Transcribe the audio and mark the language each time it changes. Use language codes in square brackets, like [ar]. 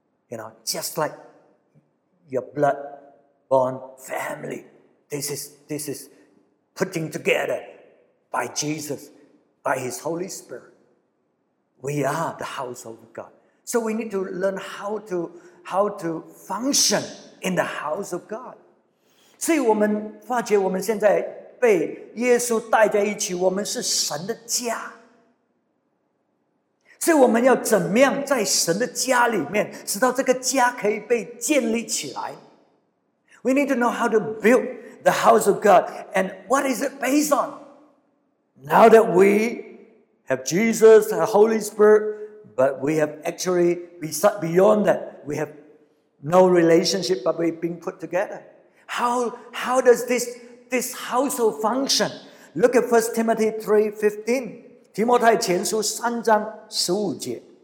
[en] You know, just like your blood-born family, this is putting together by Jesus, by His Holy Spirit. We are the household of God. So we need to learn how to function in the house of God. [zh] 所以我们发觉我们现在被耶稣带在一起我们是神的家。所以我们要怎么样在神的家里面使到这个家可以被建立起来。 [en] We need to know how to build the house of God and what is it based on? Now that we have Jesus, the Holy Spirit, but we have actually beyond that, we haveno relationship but we've been put together how does this household function look at 1 Timothy 3:15 [zh] 提摩太前书三章十五节